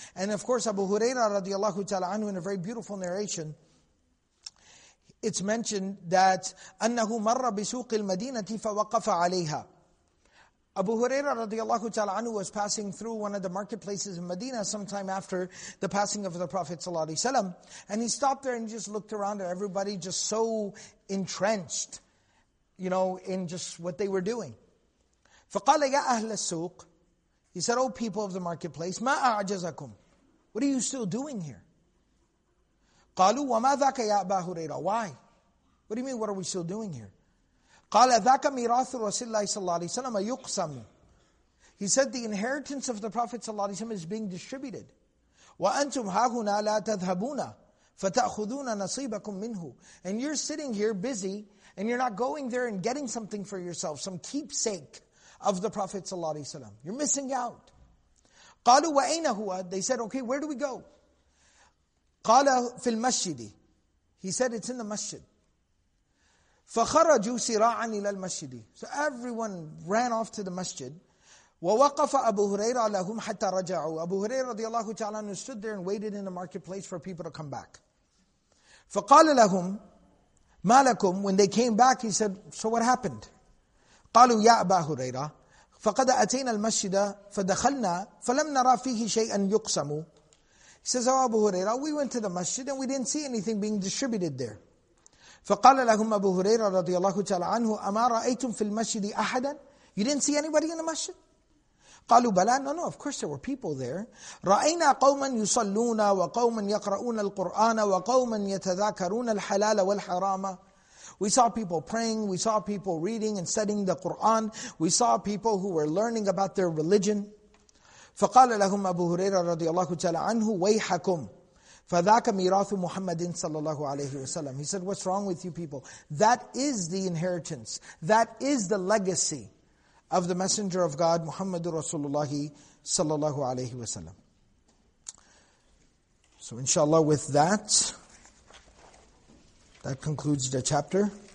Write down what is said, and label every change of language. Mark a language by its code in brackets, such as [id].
[en] And of course, Abu Huraira radiallahu ta'ala anhu, in a very beautiful narration, it's mentioned that [ar] أَنَّهُ مَرَّ بِسُوقِ الْمَدِينَةِ فَوَقَفَ عَلَيْهَا [en] Abu Huraira radiallahu ta'ala anhu was passing through one of the marketplaces in Medina sometime after the passing of the Prophet sallallahu alaihi wasallam, and he stopped there and just looked around at everybody just so entrenched, you know, in just what they were doing. [ar] فَقَالَ يَا أَهْلَ السُّوقِ [en] He said, "Oh, people of the marketplace, [ar] مَا أَعْجَزَكُمْ [en] What are you still doing here? [ar] قَالُوا وَمَا ذَكَ يَا أَبَا هُرَيْرَ [en] Why? What do you mean, what are we still doing here? [ar] قَالَ ذَكَ مِرَاثُ رَسِلَّ اللَّهِ صَلَّى اللَّهِ سَلَّمَ يُقْسَمُ [en] He said, the inheritance of the Prophet صلى الله عليه وسلم is being distributed. [ar] وَأَنْتُمْ هَاهُنَا لَا تَذْهَبُونَ فَتَأْخُذُونَ نَصِيبَكُمْ مِنْهُ [en] And you're sitting here busy, and you're not going there and getting something for yourself, some keepsake of the Prophet صلى الله عليه وسلم. You're missing out. [ar] قَالُوا وَأَيْنَ هُوَ [en] They said, okay, where do we go? [ar] قَالَ فِي الْمَسْجِدِ [en] He said, it's in the masjid. [ar] فَخَرَجُوا سِرَاعًا إِلَى الْمَسْجِدِ [en] So everyone ran off to the masjid. [ar] وَوَقَفَ أَبُو هُرَيْرَ لَهُمْ حَتَّى رَجَعُوا [en] Abu Huraira radiallahu ta'ala anhu stood there and waited in the marketplace for people to come back. [ar] فَقَالَ لَهُمْ مَا لَكُمْ [en] When they came back, he said, so what happened? [ar] قَالُوا يَا أَبَا هُرَيْرَ فَقَدْ أَتَيْنَا الْمَسْجِدَ فَدَخَلْنَا فَلَمْ نَرَى فِيهِ شَيْئًا يُقْسَمُ [en] He says, oh, Abu Huraira, we went to the masjid and we didn't see anything being distributed there. [ar] فَقَالَ لَهُمْ أَبُو هُرَيْرَ رَضِيَ اللَّهُ تَعَلَىٰ عَنْهُ أَمَا رَأَيْتُمْ فِي الْمَسْجِدِ أَحَدًا [en] You didn't see anybody in the masjid? [ar] قَالُوا بَلَىٰ [en] No, of course there were people there. [ar] رَأَيْنَا قَوْمًا يُصَلُّونَ وَقَوْمًا يَقْرَؤُونَ الْقُرْآنَ وَقَوْمًا يَتَذَاكَرُونَ الْحَلَالَ وَالْحَرَامَ [en] We saw people praying, we saw people reading and studying the Qur'an, we saw people who were learning about their religion. [ar] فَقَالَ لَهُمْ أَبُو هُرَيْرَ رَضِيَ اللَّهُ تَعَلَىٰ عَنْهُ وَيْحَكُمْ فَذَاكَ مِيرَاثُ مُحَمَّدٍ صَلَّى اللَّهُ عَلَيْهِ وَسَلَّمَ [en] He said, what's wrong with you people? That is the inheritance. That is the legacy of the Messenger of God, Muhammad Rasulullah صَلَّى اللَّهُ عَلَيْهِ وَسَلَّمَ So inshallah with that concludes the chapter.